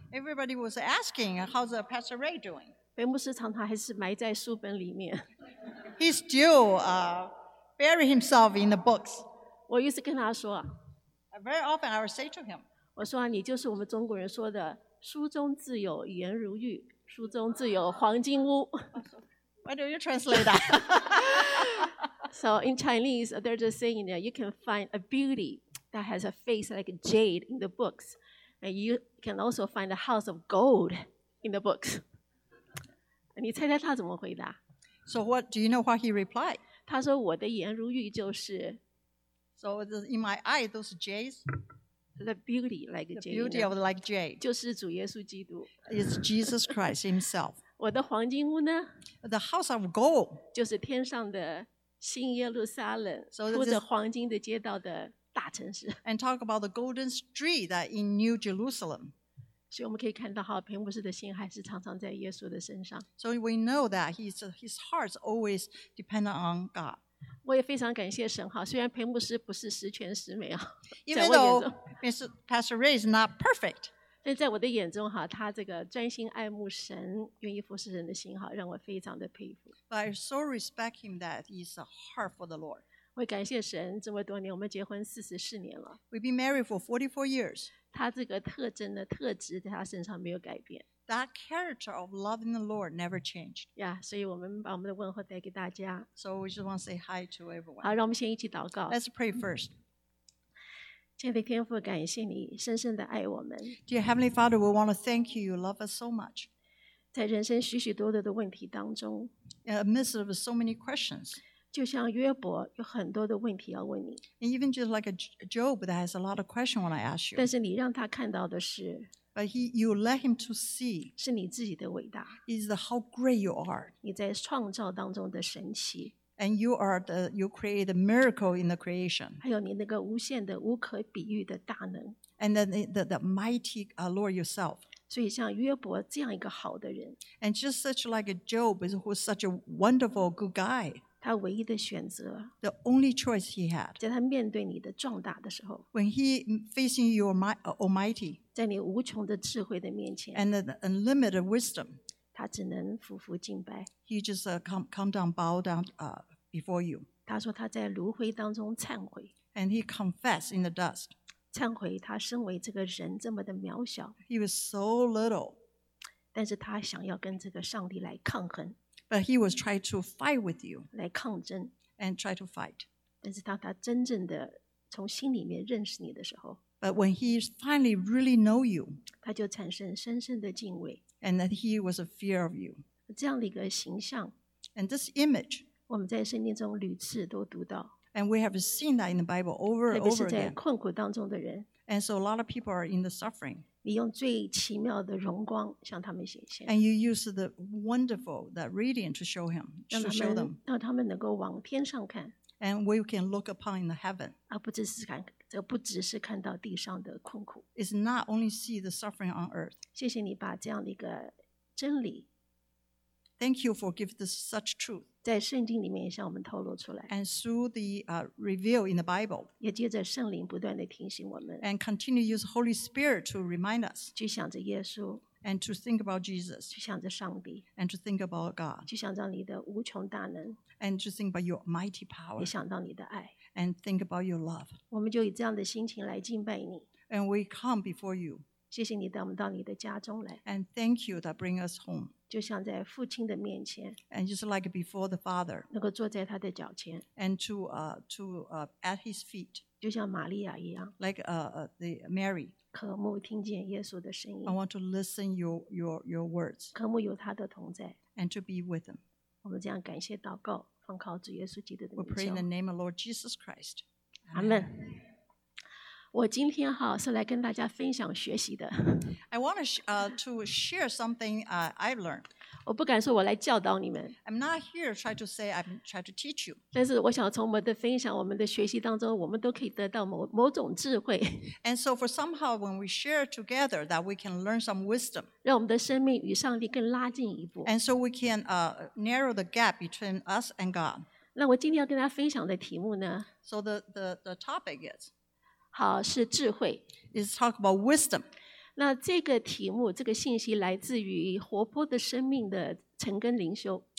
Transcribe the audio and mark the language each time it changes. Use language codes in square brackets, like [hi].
[en] Everybody was asking, how's Pastor Ray doing? [zh] 屏幕师常常还是埋在书本里面。 [en] He still bury himself in the books. [zh] 我一直跟他说。 [en] Very often I would say to him. [zh] 我说啊，你就是我们中国人说的书中自有颜如玉。书中自有黄金屋。 [en] Why do you translate that? So in Chinese, there's a saying that you can find a beauty that has a face like jade in the books, and you can also find a house of gold in the books. [zh] 你猜猜他怎么回答 [en] ？So what do you know what he replied? [zh] 他说我的颜如玉就是。 [en] So in my eye, those jades. The beauty like Jade. The beauty of like Jade. [zh] 就是主耶稣基督。 [en] It's Jesus Christ himself. [zh] 我的黄金屋呢 [en] The house of gold. [zh] 就是天上的新耶路撒冷铺着黄金的街道的大城市。 [en] And talk about the golden street that in New Jerusalem. [zh] 所以我们可以看到屏幕师的心还是常常在耶稣的身上。 [en] So we know that his heart's always dependent on God. [zh] 我也非常感谢神哈，虽然屏幕师不是十全十美啊， [en] Even though Pastor Ray is not perfect， [zh] 但在我的眼中哈，他这个专心爱慕神、愿意服侍神的心哈，让我非常的佩服。 [en] But I so respect him that he's a heart for the Lord。 [zh] 我感谢神，这么多年我们结婚44年了 [en] ，We've been married for 44 years。 [zh] 他这个特征的特质在他身上没有改变。 [en] That character of loving the Lord never changed. [zh] Yeah, 所以我们把我们的问候带给大家。 [en] So we just want to say hi to everyone. [zh] 好，让我们先一起祷告。 [en] Let's pray first. [zh] 亲爱的天父，感谢你深深的爱我们。 [en] Dear Heavenly Father, we want to thank you. You love us so much. [zh] 在人生许许多多的问题当中 [en] ，amidst of so many questions, [zh] 就像约伯有很多的问题要问你。 [en] And even just like a Job that has a lot of questions when I ask you. [zh] 但是你让他看到的是。 [en] But you let him to see. [zh] 是你自己的伟大。 [en] Is the how great you are. [zh] 你在创造当中的神奇。 [en] And you create the miracle in the creation. [zh] 还有你那个无限的、无可比喻的大能。 [en] And then the mighty Lord yourself. [zh] 所以像约伯这样一个好的人。 [en] And just such like a Job, who's such a wonderful good guy. [zh] 他唯一的选择。 [en] The only choice he had. [zh] 在他面对你的壮大的时候。 [en] When he facing your almighty. [zh] 在你无穷的智慧的面前 [en] ，and unlimited wisdom， [zh] 他只能俯伏敬拜。 [en] He just come down, bow down before you。 [zh] 他说他在炉灰当中忏悔 [en] ，and he confessed in the dust， [zh] 忏悔他身为这个人这么的渺小。 [en] He was so little， [zh] 但是他想要跟这个上帝来抗衡 [en] ，but he was trying to fight with you， [zh] 来抗争 [en] ，and try to fight。 [zh] 但是当他真正的从心里面认识你的时候。 [en] But when he finally really know you, [zh] 他就产生深深的敬畏 [en] and that he was a fear of you. [zh] 这样的一个形象 [en] and this image, [zh] 我们在圣经中屡次都读到 [en] and we have seen that in the Bible over and over again. [zh] 特别是在困苦当中的人 [en] and so a lot of people are in the suffering. [zh] 你用最奇妙的荣光向他们显现 [en] and you use the wonderful, that radiant to show him, to show them. [zh] 让他们能够往天上看 [en] and we can look upon in the heaven. [zh] 而不只是看这不只是看到地上的困苦 [en] It's not only see the suffering on earth. [zh] 谢谢你把这样的一个真理 [en] Thank you for giving this such truth. [zh] 在圣经里面向我们透露出来 [en] And through the reveal in the Bible. [zh] 也借着圣灵不断地提醒我们 [en] And continue use Holy Spirit to remind us. [zh] 去想着耶稣 [en] And to think about Jesus. [zh] 去想着上帝 [en] And to think about God. [zh] 去想着你的无穷大能 [en] And to think about your mighty power. [zh] 也想到你的爱 [en] And think about your love. [zh] 我们就以这样的心情来敬拜你。 [en] And we come before you. [zh] 谢谢你带我们到你的家中来。 [en] And thank you that bring us home. [zh] 就像在父亲的面前。 [en] And just like before the Father. [zh] 能够坐在他的脚前。 [en] And to at his feet. [zh] 就像玛利亚一样。 [en] Like the Mary. [zh] 渴慕听见耶稣的声音。 [en] I want to listen your words. [zh] 渴慕有他的同在。 [en] And to be with him. [zh] 我们这样感谢祷告。奉靠主耶稣基督的名求。 [en] We pray in the name of Lord Jesus Christ. Amen. [zh] 我今天哈是来跟大家分享学习的。 [en] I want to share something I've learned. [zh] 我不敢说我来教导你们。 [en] I'm not here trying to say I'm trying to teach you. [zh] 但是我想从我们的分享、我们的学习当中，我们都可以得到某种智慧。 [en] And so for somehow when we share together, that we can learn some wisdom. [zh] 让我们的生命与上帝更拉近一步。 [en] And so we can narrow the gap between us and God. [zh] 那我今天要跟大家分享的题目呢 [en] ？So the topic is. [zh] 好，是智慧。 [en] Is talk about wisdom. [zh] 那这个题目，这个信息来自于活泼的生命的陈根灵修。